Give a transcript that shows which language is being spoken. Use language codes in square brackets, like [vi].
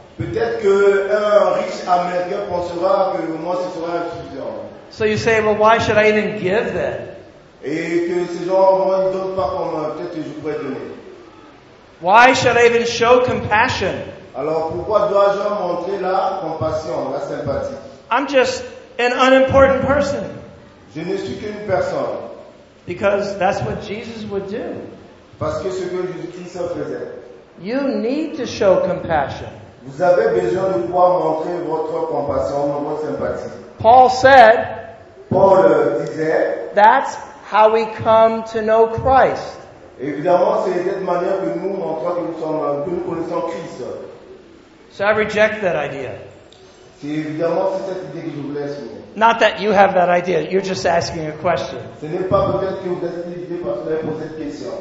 [fr] Peut-être qu'un riche Américain pensera que moi ce sera suffisant. [en] So you say, well, why should I even give then? [fr] Et que ces gens moi ils donnent pas comme peut-être je pourrais donner. [en] Why should I even show compassion? [fr] Alors pourquoi dois-je montrer la compassion, la sympathie? [en] I'm just an unimportant person. [fr] Je ne suis qu'une personne. [en] Because that's what Jesus would do. [fr] Parce que ce que Jésus-Christ faisait. [en] You need to show compassion. [fr] Vous avez besoin de pouvoir montrer votre compassion, votre sympathie. [en] Paul said, [fr] Paul disait, [en] that's how we come to know Christ. [fr] Évidemment, c'est cette manière que nous montrons que nous sommes, que nous connaissons Christ. [en] So I reject that idea. [fr] C'est évidemment c'est cette idée que je vous laisse. [en] Not that you have that idea, you're just asking a question. [fr] Ce n'est pas peut-être que vous avez cette idée parce que vous avez posé cette question.